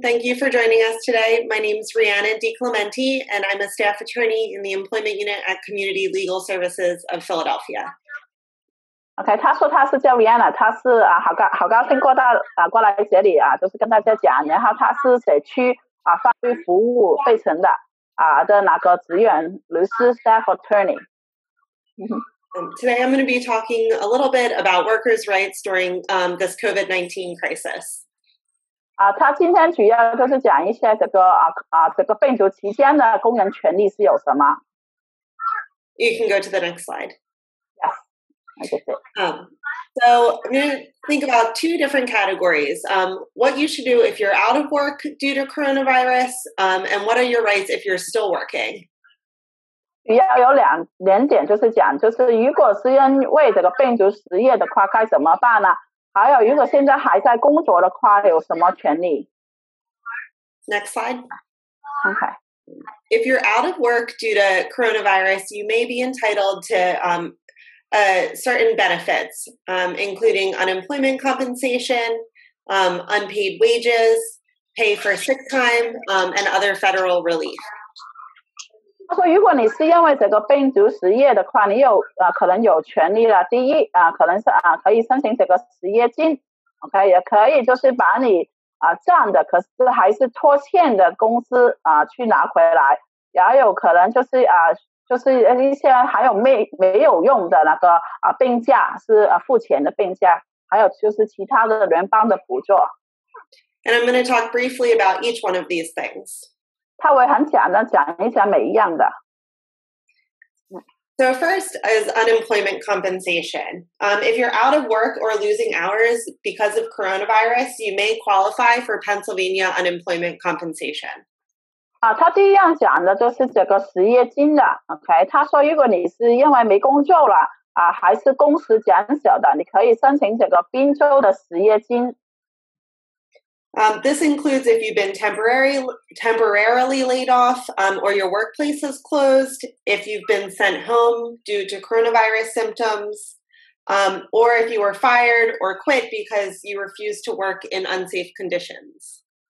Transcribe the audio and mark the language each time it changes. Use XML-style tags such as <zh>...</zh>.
<en>Thank you for joining us today. My name is Rihanna DiClementi, and I'm a staff attorney in the Employment Unit at Community Legal Services of Philadelphia.</en> <zh>OK， 他说他是叫 Rihanna， 他是啊，好高兴过到啊过来这里啊，就是跟大家讲，然后他是社区啊法律服务费城的。的那个职员律师 staff attorney.</zh> <en>Today I'm going to be talking a little bit about workers' rights during this COVID-19 crisis.</en> <zh>他今天主要就是讲一些这个这个病毒期间的工人权利是有什么。</zh> <en>You can go to the next slide. Yes, I get it. So I'm going to think about two different categories. What you should do if you're out of work due to coronavirus, and what are your rights if you're still working?</en> <zh>要有两点，就是讲，就是如果是因为这个病毒失业的话，该怎么办呢？还有如果现在还在工作的话有什么权利</zh> <en>Next slide. Okay. If you're out of work due to coronavirus, you may be entitled to certain benefits, including unemployment compensation, unpaid wages, pay for sick time, and other federal relief.</en> <zh>他说：“如果你是因为这个病毒失业的话，你有可能有权利了。第一可能是可以申请这个失业金 ，OK， 也可以就是把你占的，可是还是拖欠的工资去拿回来。也有可能就是一些还有没有用的那个病假是付钱的病假，还有就是其他的联邦的补助。</zh> <en>And I'm going to talk briefly about each one of these things.”</en> <zh>他会很简单讲一下每一样的。</zh> <en>So first is unemployment compensation. If you're out of work or losing hours because of coronavirus, you may qualify for Pennsylvania unemployment compensation.</en> <zh>他第一样讲的就是这个失业金的。OK， 他说如果你是因为没工作了还是工时减少的，你可以申请这个宾州的失业金。</zh> <en>This includes if you've been temporarily laid off, or your workplace is closed, if you've been sent home due to coronavirus symptoms, or if you were fired or quit because you refused to work in unsafe conditions.</en>